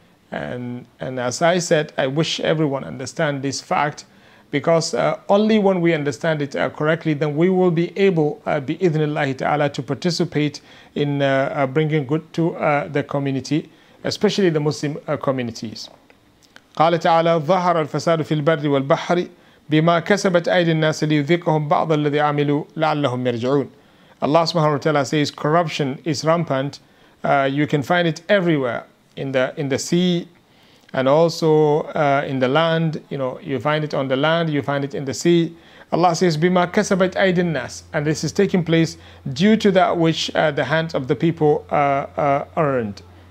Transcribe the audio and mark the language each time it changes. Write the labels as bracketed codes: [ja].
[en] And as I said, I wish everyone understand this fact, because only when we understand it correctly, then we will be able, bi-idhnillahi ta'ala, to participate in bringing good to the community, especially the Muslim communities. [ar] قال تعالى ظهر الفساد في البر والبحر بما كسبت أيدي الناس ليذيقهم بعض الذي عملوا لعلهم يرجعون. [en] Allah subhanahu wa ta'ala says corruption is rampant. You can find it everywhere, in the sea, and also in the land. You know, you find it on the land, you find it in the sea. Allah says [ar] bima kasabat aydin nas, [en] and this is taking place due to that which the hands of the people earned.